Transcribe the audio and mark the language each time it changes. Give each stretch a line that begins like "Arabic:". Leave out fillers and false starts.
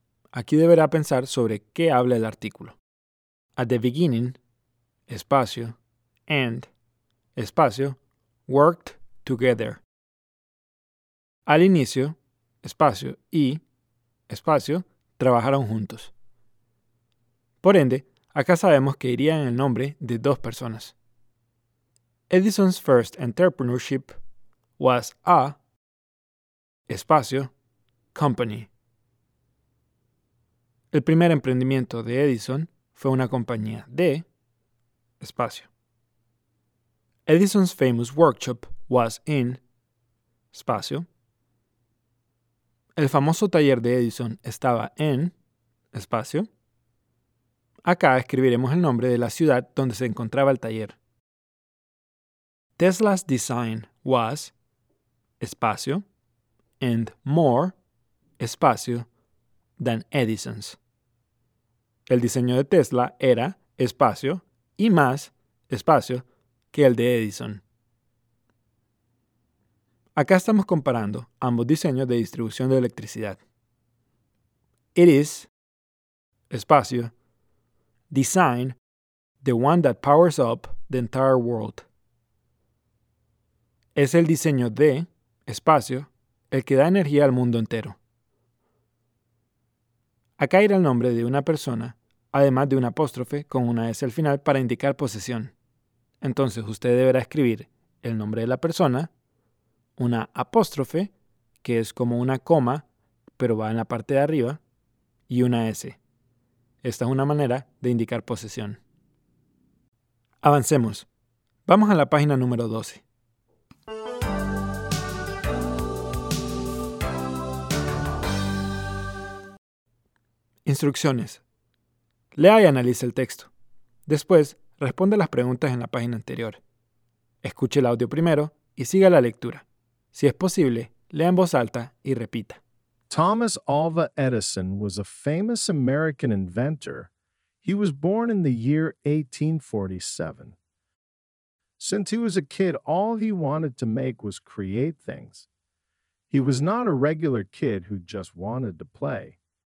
Spanish: Aquí deberá pensar sobre qué habla el artículo.
English: At the beginning, espacio, and, espacio, worked together.
Spanish: Al inicio, espacio, y, espacio, trabajaron juntos. Por ende, acá sabemos que iría en el nombre de dos personas.
English: Edison's first entrepreneurship was a, espacio, company.
Spanish: El primer emprendimiento de Edison fue una compañía de, espacio.
English: Edison's famous workshop was in, espacio.
Spanish: El famoso taller de Edison estaba en, espacio. Acá escribiremos el nombre de la ciudad donde se encontraba el taller.
English: Tesla's design was, espacio, and more, espacio, than Edison's.
Spanish: El diseño de Tesla era, espacio, y más, espacio, que el de Edison. Acá estamos comparando ambos diseños de distribución de electricidad.
English: It is, espacio, design, the one that powers up the entire world.
Spanish: Es el diseño de, espacio, el que da energía al mundo entero. Acá irá el nombre de una persona, además de un apóstrofe con una S al final para indicar posesión. Entonces usted deberá escribir el nombre de la persona, una apóstrofe, que es como una coma, pero va en la parte de arriba, y una S. Esta es una manera de indicar posesión. Avancemos. Vamos a la página número 12. Instrucciones. Lea y analice el texto. Después, responde las preguntas en la página anterior. Escuche el audio primero y siga la lectura. Si es posible, lea en voz alta y repita.
English: Thomas Alva Edison was a famous American inventor. He was born in the year 1847. Since he was a kid, all he wanted to make was create things. He was not a regular kid who just wanted to play.